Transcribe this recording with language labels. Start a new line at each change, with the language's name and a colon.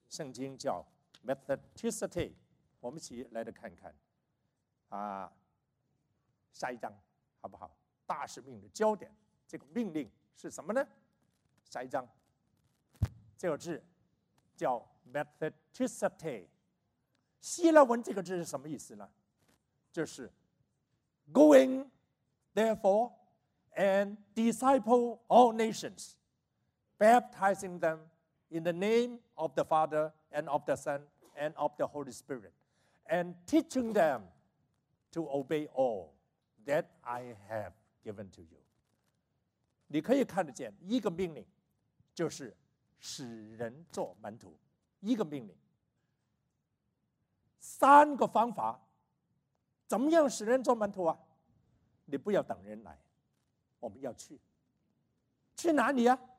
Chinese: 圣经叫 methodicity。我们一起来看看下一章好不好？大使命的焦点，这个命令是什么呢？下一章这个字叫 methodicity。希腊文这个字是什么意思呢？
English: 就是 going therefore and disciple all nations, baptizing them in the name of the Father and of the Son and of the Holy Spirit, and teaching them to obey all that I have given to you.
Chinese: 你可以看得见一个命令就是使人做门徒，一个命令，三个方法，怎么样使人做门徒啊？你不要等人来，我们要去。去哪里啊？